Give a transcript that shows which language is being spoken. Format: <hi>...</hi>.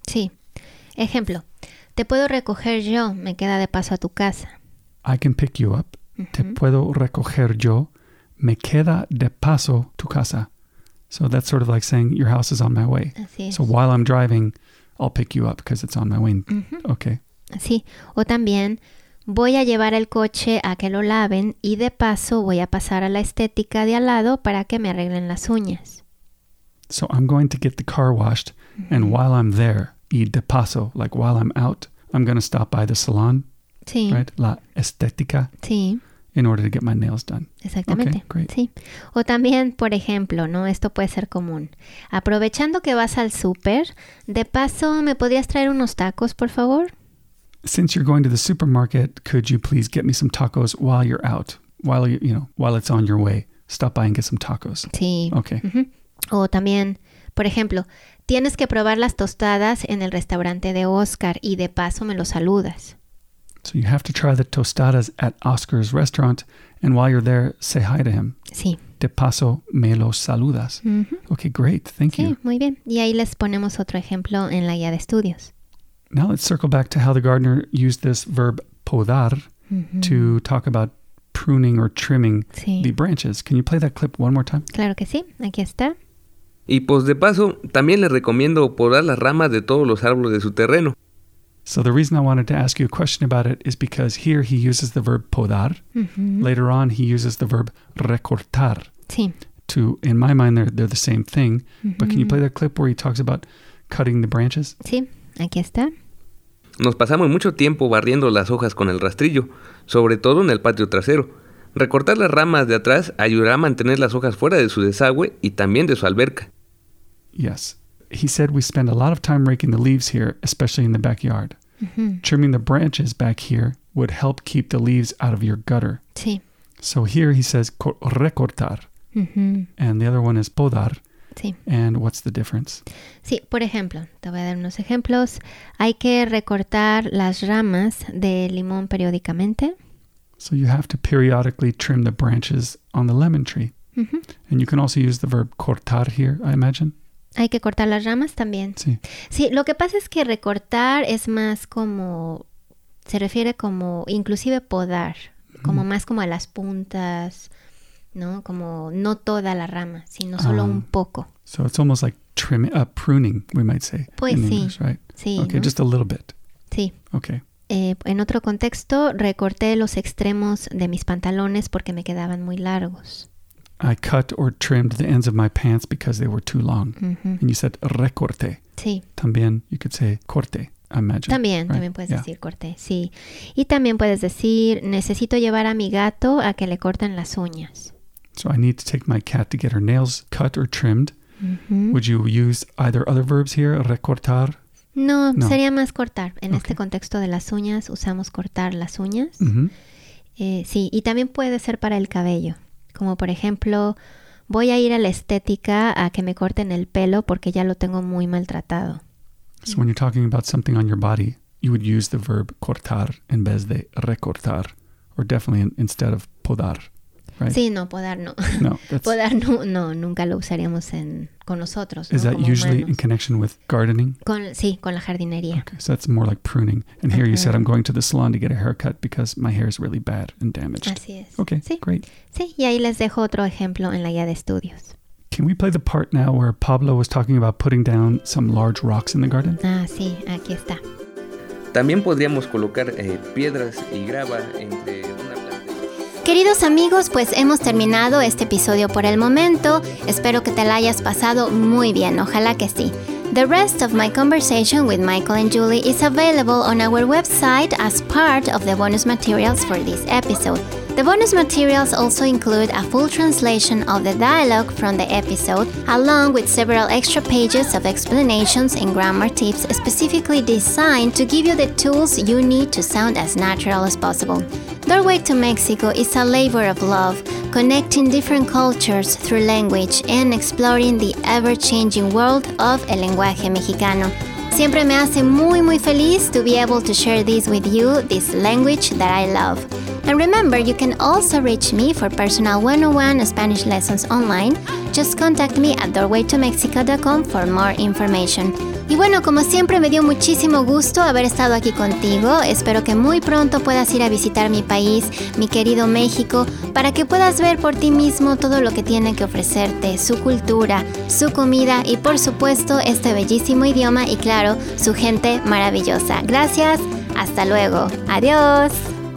<es>Sí. Ejemplo. Te puedo recoger yo. Me queda de paso a tu casa.</es> <en>I can pick you up.</en> <es>Mm-hmm. Te puedo recoger yo. Me queda de paso tu casa.</es> <en>So that's sort of like saying your house is on my way. So while I'm driving, I'll pick you up because it's on my way. Mm-hmm. Okay.</en> <es>Sí. O también, voy a llevar el coche a que lo laven y de paso voy a pasar a la estética de al lado para que me arreglen las uñas.</es> <en>So I'm going to get the car washed, mm-hmm. and while I'm there,</en> <es>y de paso,</es> <en>like while I'm out, I'm going to stop by the salon.</en> <es>Sí.</es> <en>Right?</en> <es>La estética. Sí.</es> <en>In order to get my nails done.</en> <es>Exactamente.</es> <en>Okay, great.</en> <es>Sí. O también, por ejemplo, ¿no? Esto puede ser común. Aprovechando que vas al súper, de paso, ¿me podrías traer unos tacos, por favor?</es> <en>Since you're going to the supermarket, could you please get me some tacos while you're out? While, you know, while it's on your way. Stop by and get some tacos.</en> <es>Sí.</es> <en>Okay.</en> <es>Mm-hmm. O también, por ejemplo, tienes que probar las tostadas en el restaurante de Oscar y de paso me lo saludas.</es> <en>So you have to try the tostadas at Oscar's restaurant, and while you're there, say hi to him.</en> <es>Sí. De paso, me lo saludas. Mm-hmm.</es> <en>Okay, great. Thank</en> <es>sí,</es> <en>you.</en> <es>Sí, muy bien. Y ahí les ponemos otro ejemplo en la guía de estudios.</es> <en>Now let's circle back to how the gardener used this verb podar mm-hmm. to talk about pruning or trimming</en> <es>sí.</es> <en>the branches. Can you play that clip one more time?</en> <es>Claro que sí. Aquí está. Y pues de paso, también les recomiendo podar las ramas de todos los árboles de su terreno.</es> <en>So the reason I wanted to ask you a question about it is because here he uses the verb podar. Mm-hmm. Later on, he uses the verb recortar.</en> <es>Sí.</es> <en>To, in my mind, they're the same thing. Mm-hmm. But can you play that clip where he talks about cutting the branches?</en> <es>Sí, aquí está. Nos pasamos mucho tiempo barriendo las hojas con el rastrillo, sobre todo en el patio trasero. Recortar las ramas de atrás ayudará a mantener las hojas fuera de su desagüe y también de su alberca.</es> <en>Yes. He said we spend a lot of time raking the leaves here, especially in the backyard. Mm-hmm. Trimming the branches back here would help keep the leaves out of your gutter.</en> <es>Sí.</es> <en>So here he says recortar. Mm-hmm. And the other one is podar.</en> <es>Sí.</es> <en>And what's the difference?</en> <es>Sí, por ejemplo, te voy a dar unos ejemplos. Hay que recortar las ramas de limón periódicamente.</es> <en>So you have to periodically trim the branches on the lemon tree. Mm-hmm. And you can also use the verb cortar here, I imagine.</en> <es>Hay que cortar las ramas también. Sí. Sí, lo que pasa es que recortar es más como, se refiere como, inclusive podar, como más como a las puntas, ¿no? Como no toda la rama, sino solo un poco.</es> <en>So it's almost like trimming, pruning, we might say.</en> <es>Pues</es> <en>in</en> <es>sí.</es> <en>English, right?</en> <es>Sí.</es> <en>Okay,</en> <es>¿no?</es> <en>Just a little bit.</en> <es>Sí.</es> <en>Okay.</en> <es>En otro contexto, recorté los extremos de mis pantalones porque me quedaban muy largos.</es> <en>I cut or trimmed the ends of my pants because they were too long. Mm-hmm. And you said recorté.</en> <es>Sí. También</es> <en>you could say corté, I imagine.</en> <es>También,</es> <en>right?</en> <es>También puedes decir corté, sí. Y también puedes decir, necesito llevar a mi gato a que le corten las uñas.</es> <en>So I need to take my cat to get her nails cut or trimmed. Mm-hmm. Would you use either other verbs here, recortar?</en> <es>No, no. Sería más cortar. En okay. este contexto de las uñas, usamos cortar las uñas. Mm-hmm. Sí, y también puede ser para el cabello. Como por ejemplo, voy a ir a la estética a que me corten el pelo porque ya lo tengo muy maltratado.</es> <en>So when you're talking about something on your body, you would use the verb cortar</en> <es>en vez de</es> <en>recortar, or definitely instead of podar, right?</en> <es>Sí, no, podar no. No, podar no, no, nunca lo usaríamos en con nosotros,</es> <en>is</en> <es>¿no?</es> <en>that</en> <es>como</es> <en>usually</en> <es>humanos.</es> <en>In connection with gardening?</en> <es>Con, sí, con la jardinería.</es> <en>Okay, so that's more like pruning. And here you said, I'm going to the salon to get a haircut because my hair is really bad and damaged.</en> <es>Así es.</es> <en>Okay,</en> <es>sí.</es> <en>Great.</en> <es>Sí, y ahí les dejo otro ejemplo en la guía de estudios.</es> <en>Can we play the part now where Pablo was talking about putting down some large rocks in the garden?</en> <es>Ah, sí, aquí está. También podríamos colocar piedras y grava entre... Queridos amigos, pues hemos terminado este episodio por el momento. Espero que te la hayas pasado muy bien, ojalá que sí.</es> <en>The rest of my conversation with Michael and Julie is available on our website as part of the bonus materials for this episode. The bonus materials also include a full translation of the dialogue from the episode, along with several extra pages of explanations and grammar tips specifically designed to give you the tools you need to sound as natural as possible. Doorway to Mexico is a labor of love, connecting different cultures through language and exploring the ever-changing world of</en> <es>el lenguaje mexicano. Siempre me hace muy, muy feliz</es> <en>to be able to share this with you, this language that I love. And remember, you can also reach me for personal 101 Spanish lessons online. Just contact me at doorwaytomexico.com for more information.</en> <es>Y bueno, como siempre, me dio muchísimo gusto haber estado aquí contigo. Espero que muy pronto puedas ir a visitar mi país, mi querido México, para que puedas ver por ti mismo todo lo que tiene que ofrecerte, su cultura, su comida y, por supuesto, este bellísimo idioma y, claro, su gente maravillosa. Gracias, hasta luego. Adiós.</es>